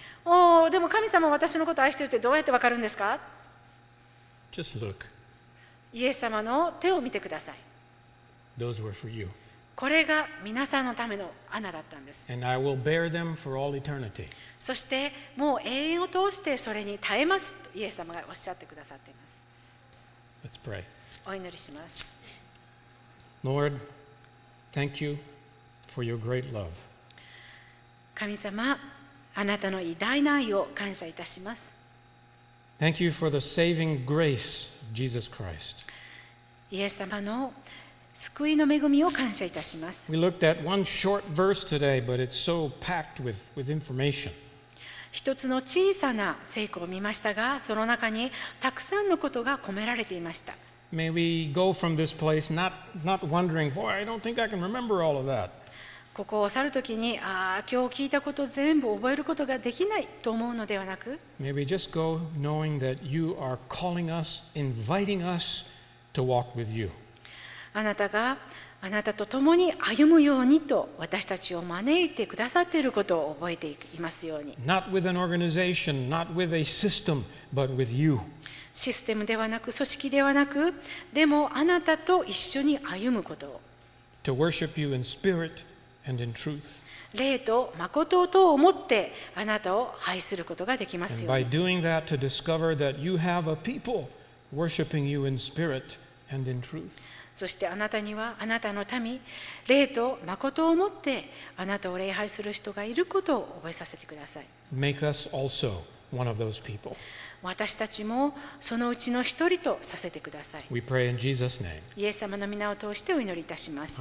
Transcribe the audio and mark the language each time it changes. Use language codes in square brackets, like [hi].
[ja] Oh, でも神様は私のことを愛しているってどうやってわかるんですか? [en] Just look. [ja] イエス様の手を見てください。 [en] Those were for you. [ja] これが皆さんのための穴だったんです。 [en] And I will bear them for all eternity. [ja] そしてもう永遠を通してそれに耐えますとイエス様がおっしゃってくださっています。 [en] Let's pray. [ja] お祈りします。 [en] Lord, thank you for your great love. [ja] 神様、あなたの偉大な愛を感謝いたします。 [en] Thank you for the saving grace, Jesus Christ. [ja] イエス様の救いの恵みを感謝いたします。 [en] We looked at one short verse today, but it's so packed with information. [ja] 一つの小さな聖句を見ましたが、その中にたくさんのことが込められていました。 [en] May we go from this place not wondering, boy, I don't think I can remember all of that. [ja] ここを去るときに、ああ、今日聞いたこと全部覚えることができないと思うのではなく、 [en] May we just go knowing that you are calling us, inviting us to walk with you. [ja] あなたがあなたと共に歩むようにと私たちを招いてくださっていることを覚えていますように。 [en] Not with an organization, not with a system, but with you. [ja] システムではなく組織ではなく、でもあなたと一緒に歩むことを。 [en] To worship you in spirit and in truth. [ja] 霊と誠と思ってあなたを拝することができますように。 [en] And by doing that, to discover that you have a people worshiping you in spirit and in truth. [ja] そしてあなたにはあなたの民、霊と誠をもってあなたを礼拝する人がいることを覚えさせてください。 [en] Make us also one of those people. [ja] 私たちもそのうちの一人とさせてください。 [en] We pray in Jesus' name. [ja] イエス様の名を通してお祈りいたします。